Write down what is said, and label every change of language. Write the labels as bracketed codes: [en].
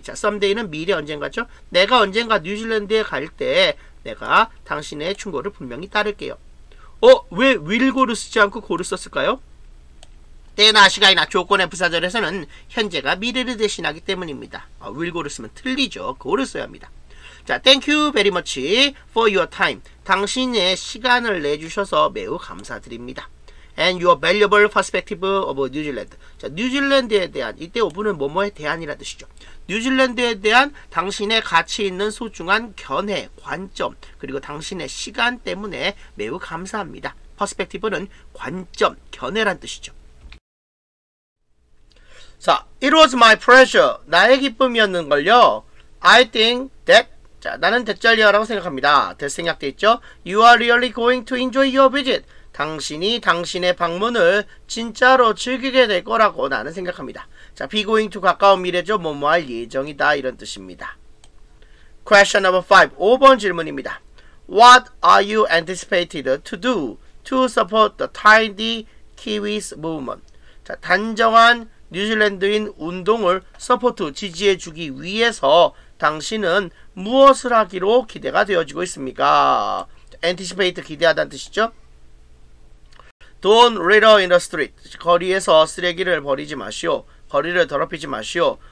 [ko] 자, someday는 미래 언젠가죠. 내가 언젠가 뉴질랜드에 갈 때 내가 당신의 충고를 분명히 따를게요. 어? 왜 will go를 쓰지 않고 go를 썼을까요? 때나 시간이나 조건의 부사절에서는 현재가 미래를 대신하기 때문입니다. will go를 쓰면 틀리죠. go를 써야 합니다. [en] 자, thank you very much for your time. [ko] 당신의 시간을 내주셔서 매우 감사드립니다. [en] And your valuable perspective of New Zealand. [ko] 자, 뉴질랜드에 대한, 이때 오브는 뭐뭐에 대한이라 뜻이죠. 뉴질랜드에 대한 당신의 가치 있는 소중한 견해, 관점, 그리고 당신의 시간 때문에 매우 감사합니다. perspective는 관점, 견해란 뜻이죠. [en] 자, it was my pleasure. [ko] 나의 기쁨이었는걸요. [en] I think that [ko] 자, 나는 대짤리아라고 생각합니다. 대 생략돼 있죠? [en] You are really going to enjoy your visit. [ko] 당신이 당신의 방문을 진짜로 즐기게 될 거라고 나는 생각합니다. 자, be going to 가까운 미래죠. 뭐뭐 할 예정이다. 이런 뜻입니다. [en] Question number 5. [ko] 5번 질문입니다. [en] What are you anticipated to do to support the tidy Kiwis movement? [ko] 자, 단정한 뉴질랜드인 운동을 서포트, 지지해 주기 위해서 당신은 무엇을 하기로 기대가 되어지고 있습니까? [en] anticipate [ko] 기대하다는 뜻이죠. [en] Don't litter in the street. [ko] 거리에서 쓰레기를 버리지 마시오. 거리를 더럽히지 마시오.